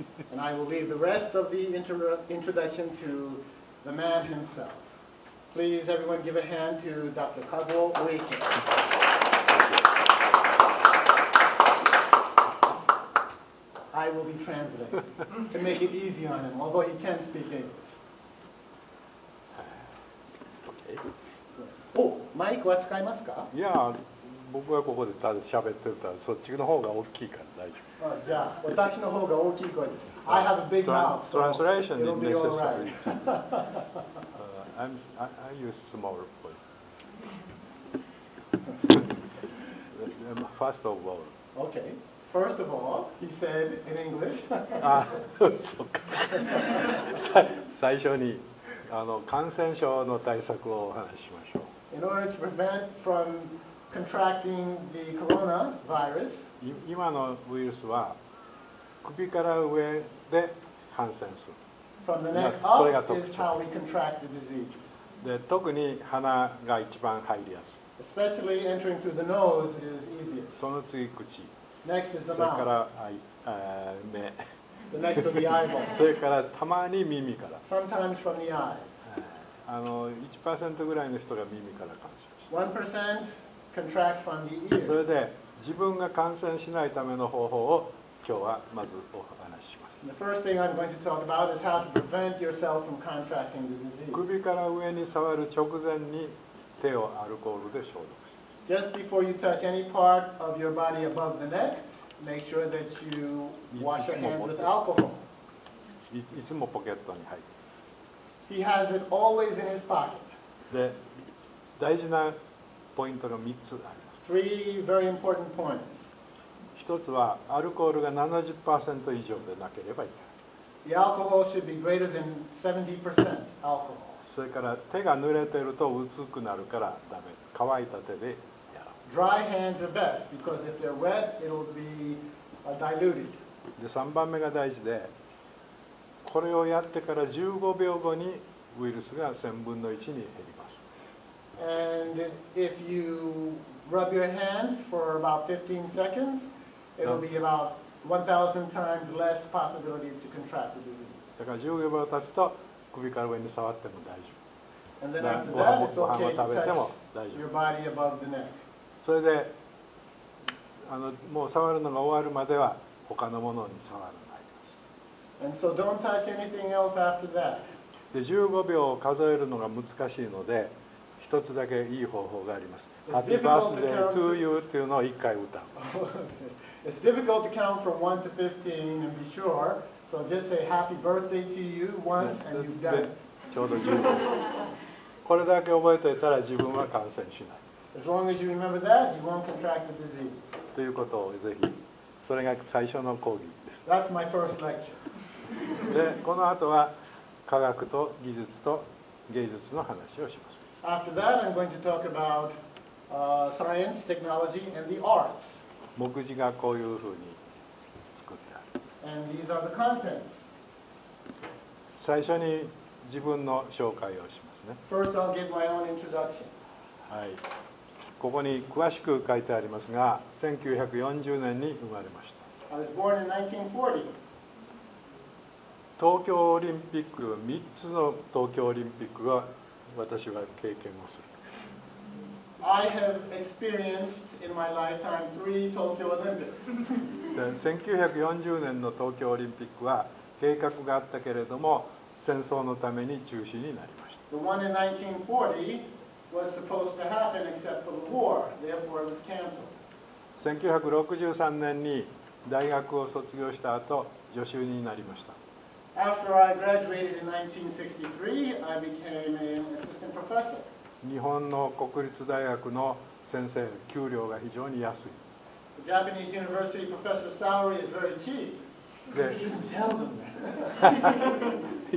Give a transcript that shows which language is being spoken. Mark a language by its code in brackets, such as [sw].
[en] And I will leave the rest of the introduction to the man himself. Please, everyone, give a hand to Dr. Kazuo Oike. I will be translating to make it easy on him, although he can speak English. Okay. Good. [ja] Oh, mic は使いますか? Yeah, 僕がここでただ喋ってたらそっちの方が大きいから大丈夫。じゃあ、私の方が大きい声です。 [en] I have a big mouth, so translation is necessary. I use smaller voice. First of all. Okay. First of all, he said in English. [ja] Ah, so. 最初にあの感染症の対策をお話ししましょう。 [en] In order to prevent from contracting the coronavirus. [ja] 今のウイルスは首から上で感染する。 [en] From the neck up. [ja] それが特徴。 [en] Is how we contract the disease. [ja] で、特に鼻が一番入りやすい。 [en] Especially entering through the nose is easiest. [ja] その次口。 [en] Next is the mouth. [ja] それから目。 [en] The next will be eyeball. [ja] それからたまに耳から。 [en] Sometimes from the eyes. [ja] あの 1% ぐらいの人が耳から感染します。 [en] 1% contract from the ear. [ja] それで自分が感染しないための方法を今日はまずお話しします。 [en] The first thing I'm going to talk about is how to prevent yourself from contracting the disease. [ja] 首から上に触る直前に手をアルコールで消毒します。 [en] Just before you touch any part of your body above the neck, make sure that you wash your hands with alcohol. [ja] いつもポケットに入って。 [en] He has it always in his pocket. [ja] で、大事なポイントが3つあります。 [en] Three very important points. [ja] 一つは、アルコールが 70% 以上でなければいけない。 [en] The alcohol should be greater than 70% alcohol. [ja] それから、手が濡れてると薄くなるからダメ。乾いた手でやろう。 [en] Dry hands are best because if they're wet, it'll be diluted. [ja] で、3番目が大事で、これをやってから15秒後にウイルスが1000分の1に減ります。 [en] And if you rub your hands for about 15 seconds, it'll be about 1,000 times less possibility to contract the disease. [ja] だから15秒経つと首から上に触っても大丈夫。 [en] And then after that, it's okay to touch your body above the neck. [ja] それで、もう触るのが終わるまでは他のものに触る。 [en] And so don't touch anything else after that. [ja] で15秒を数えるのが難しいので一つだけいい方法があります。 [en] Happy birthday to you [ja] っていうのを一回歌う。 [en] It's difficult to count from 1 to 15 and be sure. So just say happy birthday to you once and you've done it. [ja] ちょうど15秒。これだけ覚えていたら自分は感染しない。 [en] As long as you remember that, you won't contract the disease. [ja] ということをぜひ、それが最初の講義です。 [en] That's my first lecture. [ja] でこの後は科学と技術と芸術の話をします。 [en] After that, I'm going to talk about science, technology, and the arts. [ja] 目次がこういうふうに作ってある。 [en] And these are the contents. [ja] 最初に自分の紹介をしますね。 [en] First, I'll give my own introduction. [ja] はい。ここに詳しく書いてありますが、1940年に生まれました。 [en] I was born in 1940. [ja] 東京オリンピック、3つの東京オリンピックは私は経験をする。 [en] I have experienced in my lifetime three Tokyo Olympics. [ja] 1940年の東京オリンピックは計画があったけれども、戦争のために中止になりました。 [en] The one in 1940 was supposed to happen except for the war, therefore it was canceled. [ja] 1963年に大学を卒業した後、助手になりました。 [en] After I graduated in 1963, I became an assistant professor. [ja] 日本の国立大学の先生、給料が非常に安い。 [en] The Japanese university professor's salary is very cheap. You shouldn't tell them that.